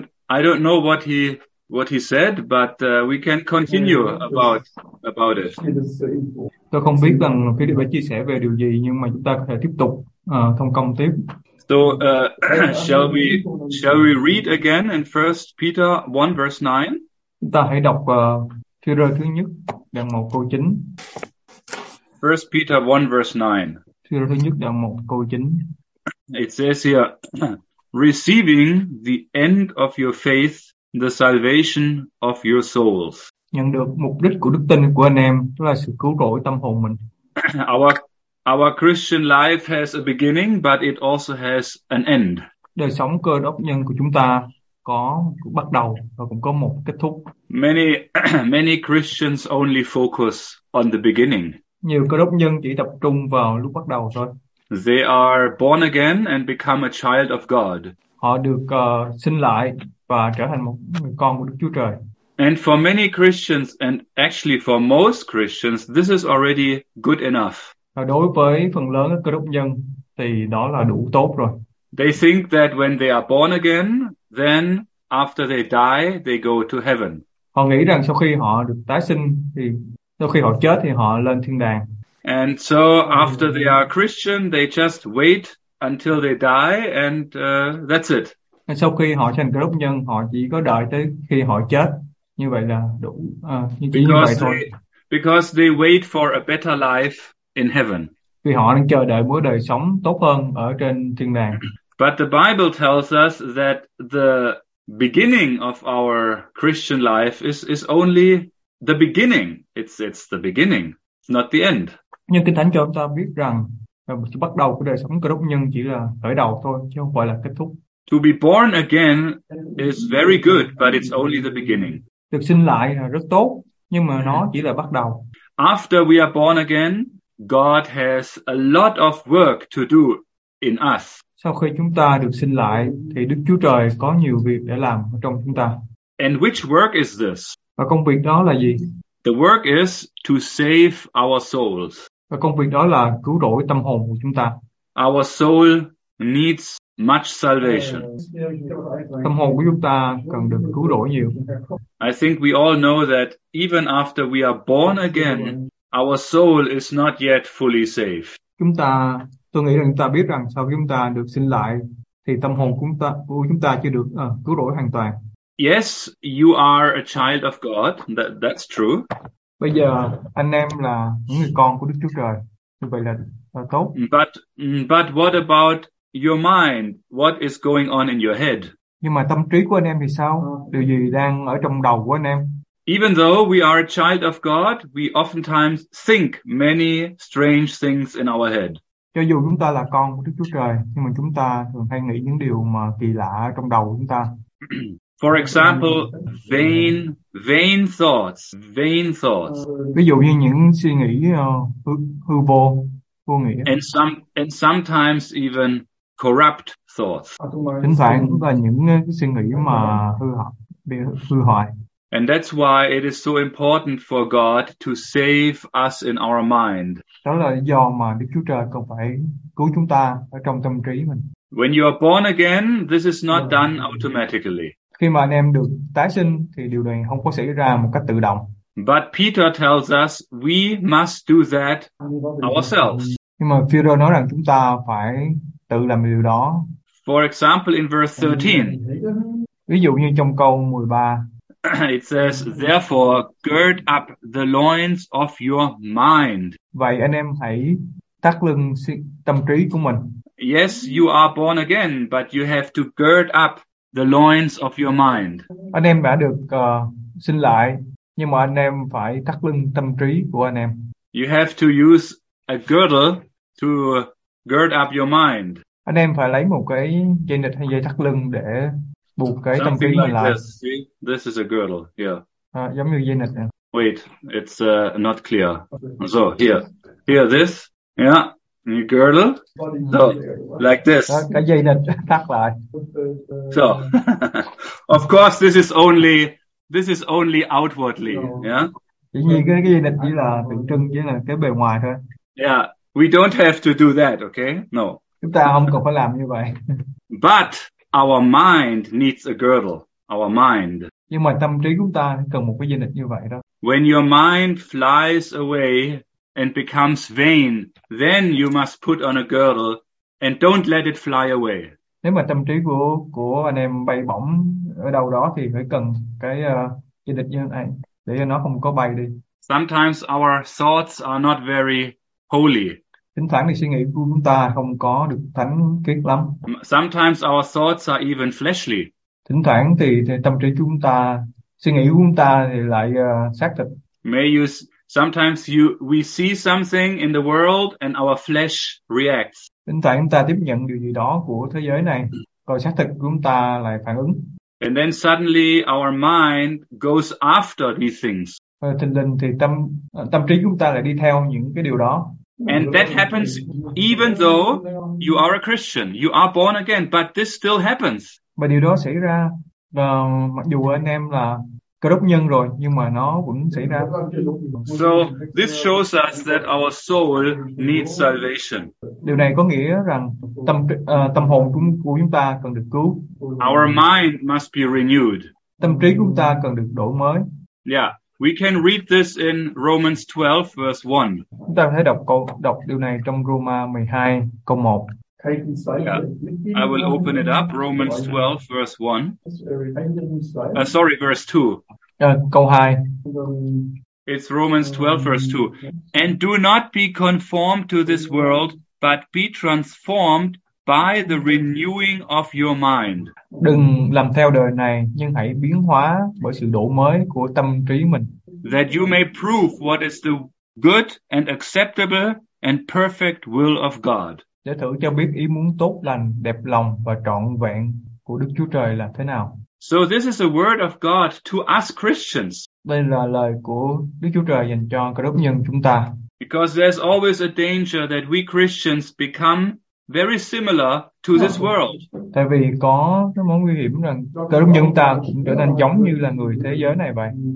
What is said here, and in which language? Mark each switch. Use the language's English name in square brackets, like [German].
[English] I don't know what he said, but we can continue about it. [Vietnamese] Tôi không biết rằng Philip đã chia sẻ về điều gì, nhưng mà chúng ta có thể tiếp tục thông công tiếp. [English] So shall we read again in 1 Peter 1 verse 9? [Vietnamese] Chúng ta hãy đọc Peter thứ nhất, đoạn 1 câu 9. [English] 1 Peter 1 verse 9. [Vietnamese] Peter thứ nhất, đoạn 1 câu 9. [English] It says here, receiving the end of your faith, the salvation of your souls. [Vietnamese] Nhận được mục đích của đức tin của anh em, đó là sự cứu rỗi tâm hồn mình. [English] Our Christian life has a beginning, but it also has an end. [Vietnamese] Đời sống cơ đốc nhân của chúng ta có bắt đầu và cũng có một kết thúc. [English] Many Christians only focus on the beginning. [Vietnamese] Nhiều cơ đốc nhân chỉ tập trung vào lúc bắt đầu thôi. [English] They are born again and become a child of God. [Vietnamese] Họ được sinh lại và trở thành một người con của Đức Chúa Trời. [English] And for many Christians, and actually for most Christians, this is already good enough. [Vietnamese] Và đối với phần lớn các cơ đốc nhân thì đó là đủ tốt rồi. [English] They think that when they are born again, then after they die, they go to heaven. [Vietnamese] Họ nghĩ rằng sau khi họ được tái sinh thì sau khi họ chết thì họ lên thiên đàng. [English] And so after they are Christian, they just wait until they die and that's it. [Vietnamese] Sau khi họ thành cơ đốc nhân, họ chỉ có đợi tới khi họ chết. Như vậy là đủ chỉ như vậy thôi. [English] Because they wait for a better life in heaven. [Vietnamese] Vì họ đang chờ đợi một đời sống tốt hơn ở trên thiên đàng. [English] But the Bible tells us that the beginning of our Christian life is only the beginning. It's the beginning, it's not the end. [Vietnamese] Nhưng Kinh Thánh cho chúng ta biết rằng sự bắt đầu của đời sống cơ đốc nhân chỉ là khởi đầu thôi, chứ không phải là kết thúc. [English] To be born again is very good, but it's only the beginning. [Vietnamese] Được sinh lại là rất tốt, nhưng mà nó chỉ là bắt đầu. [English] After we are born again, God has a lot of work to do in us. [Vietnamese] Sau khi chúng ta được sinh lại, thì Đức Chúa Trời có nhiều việc để làm trong chúng ta. [English] And which work is this? [Vietnamese] Và công việc đó là gì? [English] The work is to save our souls. [Vietnamese] Và công việc đó là cứu rỗi tâm hồn của chúng ta. [English] Our soul needs much salvation. [Vietnamese] Tâm hồn của chúng ta cần được cứu rỗi nhiều. [English] I think we all know that even after we are born again, our soul is not yet fully saved. [Vietnamese] Tôi nghĩ rằng chúng ta biết rằng sau khi chúng ta được sinh lại thì tâm hồn của chúng ta chưa được cứu rỗi hoàn toàn. [English] Yes, you are a child of God. That's true. [Vietnamese] Bây giờ anh em là những người con của Đức Chúa Trời. Như vậy là tốt. [English] But what about your mind? What is going on in your head? [Vietnamese] Nhưng mà tâm trí của anh em thì sao? Điều gì đang ở trong đầu của anh em? [English] Even though we are a child of God, we oftentimes think many strange things in our head. [Vietnamese] Cho dù chúng ta là con của Đức Chúa Trời, nhưng mà chúng ta thường hay nghĩ những điều mà kỳ lạ trong đầu chúng ta. [English] For example, vain thoughts. [Vietnamese] Ví dụ như những suy nghĩ hư vô nghĩa. [English] And sometimes even corrupt thoughts. [Vietnamese] Thỉnh thoảng cũng là những suy nghĩ mà hư hoại. [English] And that's why it is so important for God to save us in our mind. [Vietnamese] Đó là do mà Đức Chúa Trời cần phải cứu chúng ta ở trong tâm trí mình. [English] When you are born again, this is not done automatically. [Vietnamese] Khi mà anh em được tái sinh thì điều này không có xảy ra một cách tự động. [English] But Peter tells us we must do that ourselves. [Vietnamese] Nhưng mà Peter nói rằng chúng ta phải tự làm điều đó. [English] For example, in verse 13. [Vietnamese] Ví dụ như trong câu 13. [English] It says, therefore, gird up the loins of your mind. [Vietnamese] Vậy anh em hãy thắt lưng tâm trí của mình. [English] Yes, you are born again, but you have to gird up the loins of your mind. [Vietnamese] Anh em đã được sinh lại, nhưng mà anh em phải thắt lưng tâm trí của anh em. [English] You have to use a girdle to gird up your mind. [Vietnamese] Anh em phải lấy một cái dây nịt hay dây thắt lưng để buộc cái tâm trí [English] like [Vietnamese] lại. [English] This is a girdle, yeah. [Vietnamese] Giống như dây nịt. [English] Wait, it's not clear. So, here this, yeah, you girdle, so, like this. [Vietnamese] Cái dây nịt thắt lại. [English] So, of course, This is only outwardly, yeah. [Vietnamese] Chỉ nhìn cái gì này chỉ là tượng trưng, chỉ là cái bề ngoài thôi. [English] Yeah, we don't have to do that, okay? No. [Vietnamese] Chúng ta không cần phải làm như vậy. [English] But our mind needs a girdle. Our mind. [Vietnamese] Nhưng mà tâm trí chúng ta cần một cái dây nịt như vậy đó. [English] When your mind flies away and becomes vain, then you must put on a girdle and don't let it fly away. [Vietnamese] Nếu mà tâm trí của anh em bay bổng ở đâu đó thì phải cần cái dây nịt như này để cho nó không có bay đi. [English] Sometimes our thoughts are not very holy. [Vietnamese] Thỉnh thoảng thì suy nghĩ của chúng ta không có được thánh khiết lắm. [English] Sometimes our thoughts are even fleshly. [Vietnamese] Thỉnh thoảng thì tâm trí chúng ta, suy nghĩ của chúng ta thì lại xác thịt. [English] May you sometimes you we see something in the world and our flesh reacts. [Vietnamese] Thỉnh thoảng chúng ta tiếp nhận điều gì đó của thế giới này, rồi xác thịt của chúng ta lại phản ứng. [English] And then suddenly our mind goes after these things. [Vietnamese] Thình lình thì tâm trí chúng ta lại đi theo những cái điều đó. [English] And that happens even though you are a Christian, you are born again, but this still happens. [Vietnamese] Và điều đó xảy ra mặc dù anh em là Cơ Đốc nhân rồi nhưng mà nó vẫn xảy ra. [English] So this shows us that our soul needs salvation. [Vietnamese] Điều này có nghĩa rằng tâm hồn của chúng ta cần được cứu. [English] Our mind must be renewed. [Vietnamese] Tâm trí của chúng ta cần được đổi mới. [English] Yeah. We can read this in Romans 12 verse 1. [Vietnamese] Chúng ta có thể đọc điều này trong Roma 12 câu 1. [English] Yeah. I will open it up. Romans 12 verse 1. Verse 2. [Vietnamese] Câu 2. [English] It's Romans 12 verse 2. And do not be conformed to this world, but be transformed by the renewing of your mind. [Vietnamese] Đừng làm theo đời này, nhưng hãy biến hóa bởi sự đổi mới của tâm trí mình. [English] That you may prove what is the good and acceptable and perfect will of God. [Vietnamese] Để thử cho biết ý muốn tốt lành, đẹp lòng và trọn vẹn của Đức Chúa Trời là thế nào. [English] So this is a word of God to us Christians. [Vietnamese] Đây là lời của Đức Chúa Trời dành cho Cơ Đốc nhân chúng ta. [English] Because there's always a danger that we Christians become very similar to this world. [Vietnamese] Tại vì có cái mối nguy hiểm rằng Cơ Đốc nhân ta cũng trở nên giống như là người thế giới này vậy.